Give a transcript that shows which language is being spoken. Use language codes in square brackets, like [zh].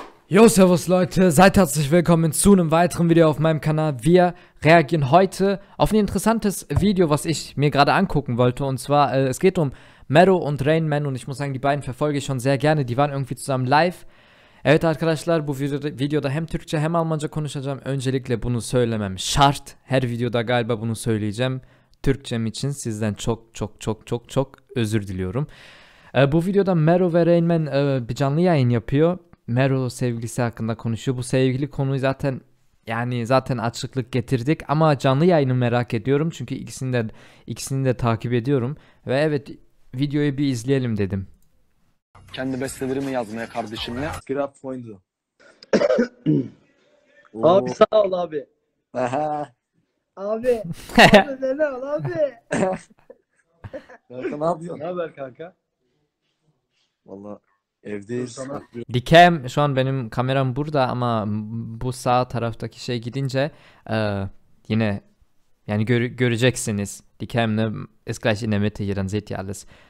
[de] Yo, servus Leute, seid herzlich willkommen zu einem weiteren Video auf meinem Kanal. Wir reagieren heute auf ein interessantes Video, was ich mir gerade angucken wollte. Und zwar, es geht um Meadow und Rain Man. Und ich muss sagen, die beiden verfolge ich schon sehr gerne. Die waren irgendwie zusammen live. [tr] Evet arkadaşlar, bu videoda hem Türkçe hem Almanca konuşacağım. Öncelikle bunu söylemem şart. Her videoda galiba bunu söyleyeceğim. Türkçem için sizden çok özür diliyorum. Bu videoda Meadow ve Rain Man bir canlı yayın yapıyor. Meadow sevgilisi hakkında konuşuyor. Bu sevgili konuyu zaten yani zaten açıklık getirdik ama canlı yayını merak ediyorum çünkü ikisini de takip ediyorum ve evet videoyu bir izleyelim dedim. Kendi bestelerimi yazmaya kardeşimle. Grab point'u. Abi sağ ol abi. Abi. Abi ne ol abi? Kanka ne yapıyorsun? Ne haber kanka? Vallahi evdeyiz. Dikem şu an benim kameram burada ama bu sağ taraftaki şey gidince yine yani göreceksiniz. [de] Dikem ne ist gleich in der Mitte hier dann seht ihr alles.